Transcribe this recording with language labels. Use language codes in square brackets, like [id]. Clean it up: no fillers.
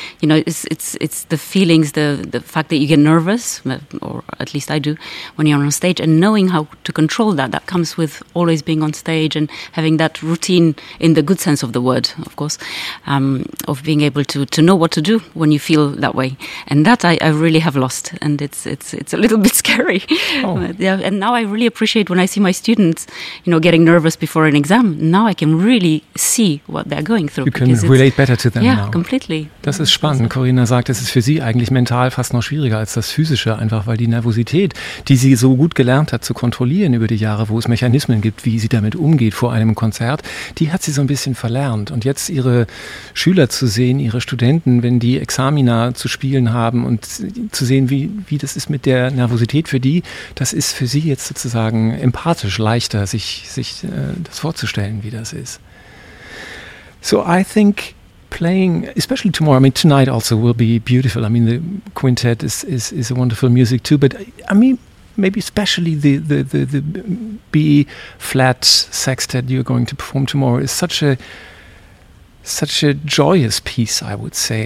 [en] You know, it's the feelings, the fact that you get nervous, or at least I do, when you're on stage, and knowing how to control that comes with always being on stage and having that routine in the good sense of the word, of course, of being able to know what to do when you feel that way. And that I really have lost, and it's a little bit scary. Oh. Yeah, and now I really appreciate when I see my students, you know, getting nervous before an exam. Now I can really see what they're going through. You can relate better to them now. Yeah, completely. [de] Das ist spannend. Corinna sagt, es ist für sie eigentlich mental fast noch schwieriger als das Physische, einfach weil die Nervosität, die sie so gut gelernt hat zu kontrollieren über die Jahre, wo es Mechanismen gibt, wie sie damit umgeht vor einem Konzert, die hat sie so ein bisschen verlernt. Und jetzt ihre Schüler zu sehen, ihre Studenten, wenn die Examina zu spielen haben und zu sehen, wie das ist mit der Nervosität für die, das ist für sie jetzt sozusagen empathisch leichter, sich das vorzustellen, wie das ist. [en] So I think playing, especially tomorrow, I mean, tonight also will be beautiful. I mean, the quintet is a wonderful music too. But I mean, maybe especially the B flat sextet you're going to perform tomorrow is such a joyous piece, I would say.